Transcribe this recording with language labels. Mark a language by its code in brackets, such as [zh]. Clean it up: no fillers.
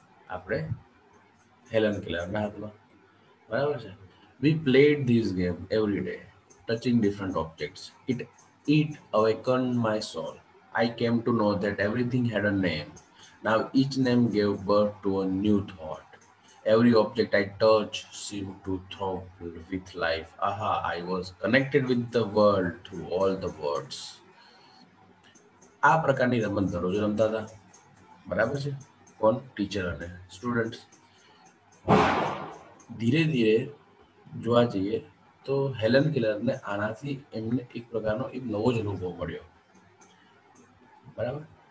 [gu] આપણે હેલન કેલરના હાથમાં, બરાબર છે. [en] We played this game every day touching different objects. It awaken my soul. I came to know that everything had a name. Now each name gave birth to a new thought. Every object I touch seemed to throb with life. Aha, I was connected with the world through all the words. [gu] આ પ્રકારની રમત દરરોજ રમતા હતા, બરાબર છે? કોણ? Teacher અને સ્ટુડન્ટ્સ. ધીરે ધીરે જોવા જઈએ તો હેલન કેલરને આનાથી એમને એક પ્રકારનો એક નવો જ અનુભવ મળ્યો, બરાબર.